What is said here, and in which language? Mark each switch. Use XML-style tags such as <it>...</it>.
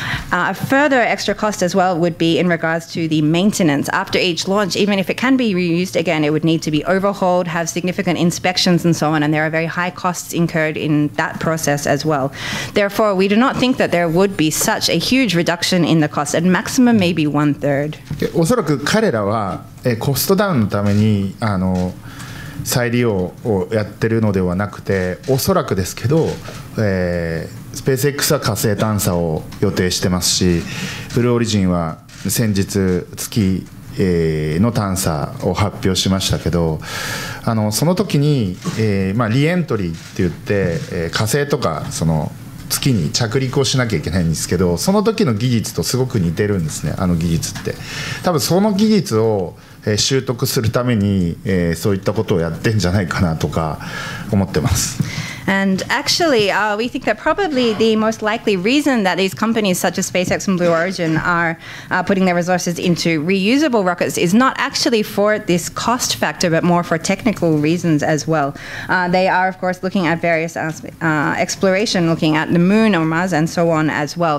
<en>A further extra cost as well would be in regards to the maintenance. After each launch, even if it can be reused again, it would need to be overhauled, have significant inspections and so on, and there are very high costs incurred in that process as well. Therefore, we do not think that there would be such a huge reduction in the cost, and maximum maybe one third.</en> <ja>おそらく彼らはコストダウンのために再利用をやってるのではなくて、おそらくですけど、スペース X は火星探査を予定してますし、ブルーオリジンは先日月、の探査を発表しましたけど、その時に、リエントリーって言って、火星とかその月に着陸をしなきゃいけないんですけど、その時の技術とすごく似てるんですね、あの技術って。多分その技術を習得するために、そういったことをやってんじゃないかなとか思ってます。</ja> <en>And actually, we think that probably the most likely reason that these companies such as SpaceX and Blue Origin are putting their resources into reusable rockets is not actually for this cost factor, but more for technical reasons as well. They are, of course, looking at various exploration, looking at the moon or Mars and so on as well.</en>